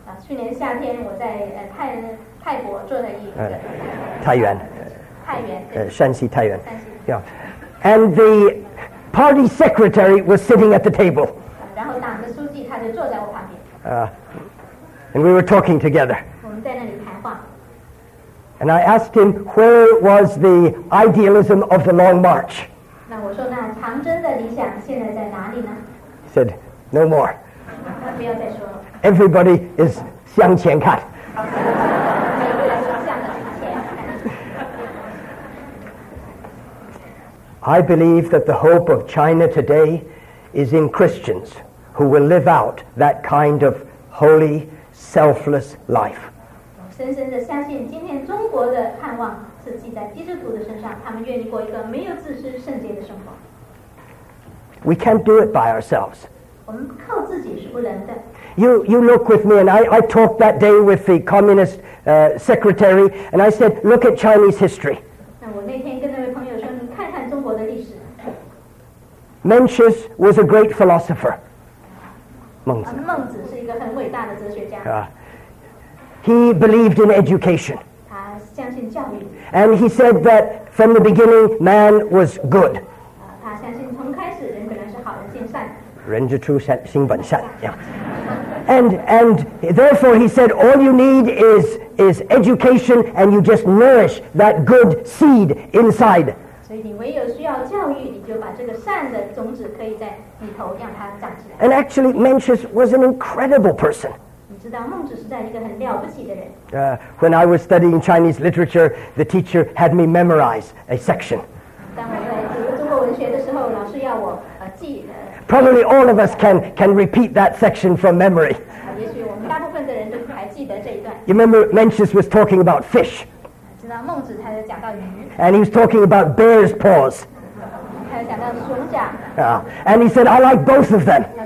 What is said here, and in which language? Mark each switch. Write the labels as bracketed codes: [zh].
[zh] 去年夏天我在泰国坐在椅子。太原。山西太原。山西。 Yeah. [en] And the party secretary was sitting at the table. [zh] 然后党的书记他就坐在我旁边。 [en] And we were talking together. [zh] 我们在那里谈话。 [en] And I asked him where was the idealism of the Long March. [zh] 那我说那长征的理想现在在哪里呢？ [en] Said, no more. [zh] 他不要再说了。 [en] Everybody is [zh] 向前看。每个人都向前看。 [en] I believe that the hope of China today is in Christians who will live out that kind of holy, selfless life. [zh] 我深深地相信，今天中国的盼望是记在基督徒的身上，他们愿意过一个没有自私、圣洁的生活。 [en] We can't do it by ourselves. [zh] 我们靠自己是不能的。 [en] You look with me, and I talked that day with the communist secretary, and I said, look at Chinese history. [zh] 那我那天跟那位朋友说，你看看中国的历史。 [en] Mencius was a great philosopher. 孟子。 [zh] 孟子是一个很伟大的哲学家。 [en] He believed in education. [zh] 他相信教育。 [en] And he said that from the beginning, man was good. [zh] 他相信从开始人本来是好人，性善。人之初善，性本善。Yeah. [en] And therefore he said all you need is education and you just nourish that good seed inside. [zh] 所以你唯有需要教育，你就把这个善的种子可以在里头让它长起来。 [en] And actually Mencius was an incredible person. [zh] 你知道孟子是在一个很了不起的人。 [en] When I was studying Chinese literature, the teacher had me memorize a section. [zh] 当我在读中国文学的时候，老师要我记。 [en] Probably all of us can repeat that section from memory. You remember Mencius was talking about fish. And he was talking about bear's paws. And he said, I like both of them.